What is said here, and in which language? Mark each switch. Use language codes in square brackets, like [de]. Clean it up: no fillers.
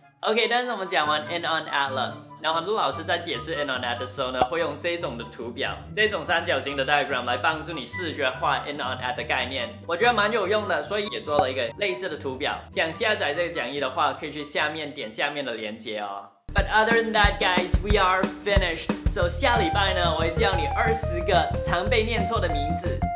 [zh] OK， 但是我们讲完 in on at 了，那很多老师在解释 in on at 的时候呢，会用这种的图表，这种三角形的 diagram 来帮助你视觉化 in on at 的概念，我觉得蛮有用的，所以也做了一个类似的图表。想下载这个讲义的话，可以去下面点下面的连结哦。 [en] But other than that, guys, we are finished. [zh] So 下礼拜呢，我会教你20个常被念错的名字。